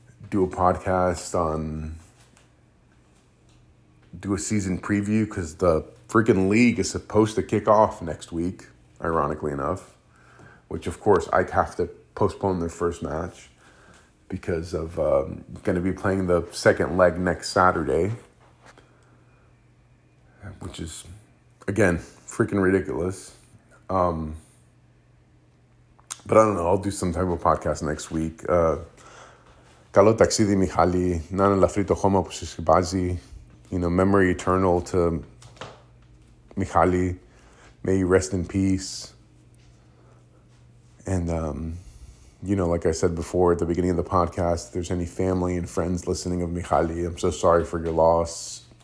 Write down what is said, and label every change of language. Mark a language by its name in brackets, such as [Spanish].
[English] do a podcast on, do a season preview, because the freaking league is supposed to kick off next week, ironically enough, which of course I have to postpone their first match because of going to be playing the second leg next Saturday, which is, again, freaking ridiculous. But I don't know. I'll do some type of podcast next week. [Greek] Καλό ταξίδι, Μιχάλη. Να είναι ελαφρύ το χώμα που σε σκεπάζει. [English] You know, memory eternal to Μιχάλη. May you rest in peace. And, you know, like I said before at the beginning of the podcast, if there's any family and friends listening of Mihaly, I'm so sorry for your loss.